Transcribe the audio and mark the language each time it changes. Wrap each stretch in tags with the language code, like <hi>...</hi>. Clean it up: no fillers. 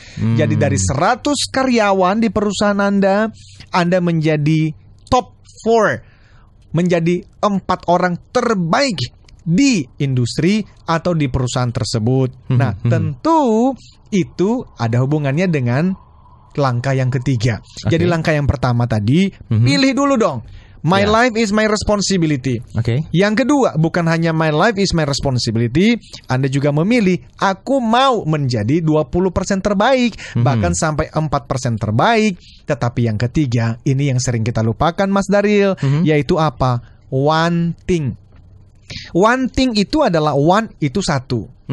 <id>Jadi dari 100 karyawan di perusahaan Anda, Anda menjadi top 4, menjadi 4 orang terbaik di industri atau di perusahaan tersebut. Nah tentu itu ada hubungannya dengan langkah yang ketiga. Jadi langkah yang pertama tadi, pilih dulu dong,</id> <en>My life is my responsibility. Oke. Okay.</en> <id>Yang kedua, bukan hanya</id> <en>my life is my responsibility,</en> <id>Anda juga memilih, aku mau menjadi 20% terbaik, bahkan sampai 4% terbaik. Tetapi yang ketiga, ini yang sering kita lupakan, Mas Daryl, yaitu apa?</id> <en>One thing. One thing itu adalah one itu satu.</en>